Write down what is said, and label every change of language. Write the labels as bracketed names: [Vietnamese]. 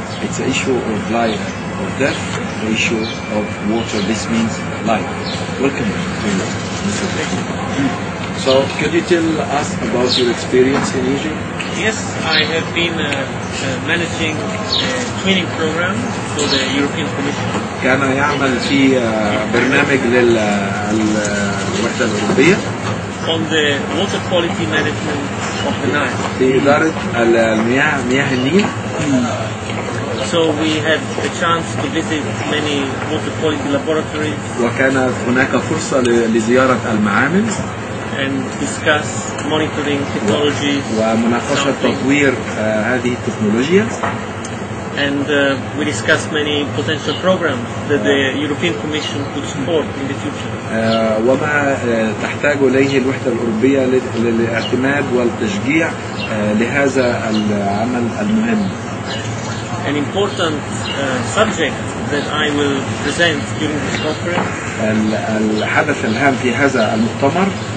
[English] It's an issue of life or death, an issue of water. This means life. Welcome to you, Mr. Baccini. So, could you tell us about your experience in Egypt? Yes, I have been managing a training program for the European Commission. [Arabic] كان يعمل في برنامج للوحدة الأوروبية. [English] On the water quality management of the Nile. [Arabic] في إدارة مياه النيل. [English] So we had a chance to visit many water quality laboratories. [Arabic] وكان هناك فرصة لزيارة المعامل. [English] And discuss monitoring technologies. [Arabic] ومناقشة تطوير هذه التكنولوجيا. [English] And we discuss many potential programs that the European Commission could support in the future. [Arabic] وما تحتاج إليه الوحدة الأوروبية للاعتماد والتشجيع لهذا العمل المهم. [English] An important subject that I will present during this conference. [Arabic] الحدث الهام في هذا المؤتمر.